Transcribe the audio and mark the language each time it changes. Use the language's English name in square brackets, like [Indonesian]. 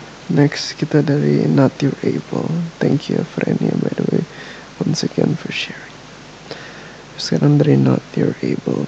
[English] Next, [Indonesian] kita dari Not Your Able. [English] Thank you, Frenia, by the way, once again for sharing. [Indonesian] Sekarang dari Not Your Able.